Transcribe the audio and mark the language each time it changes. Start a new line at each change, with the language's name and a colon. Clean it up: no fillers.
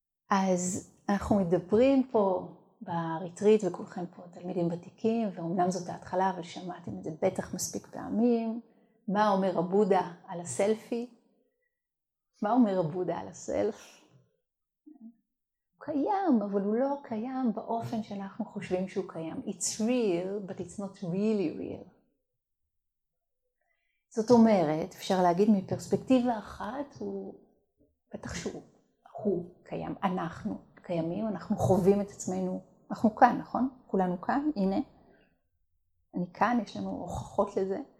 Hebrew: אז אנחנו מדברים פה בריטריט, וכולכם פה תלמידים ותיקים, ואומנם זאת ההתחלה, אבל שמעתם את זה בטח מספיק פעמים. מה אומר הבודה על הסלפי? מה אומר הבודה על הסלף? הוא קיים, אבל הוא לא קיים באופן שאנחנו חושבים שהוא קיים.
English: It's real, but it's not really real.
Hebrew: זאת אומרת, אפשר להגיד מפרספקטיבה אחת, הוא בטח שהוא קיים, אנחנו. קיימים, אנחנו חווים את עצמנו, אנחנו כאן, נכון? כולנו כאן, הנה, אני כאן, יש לנו הוכחות לזה.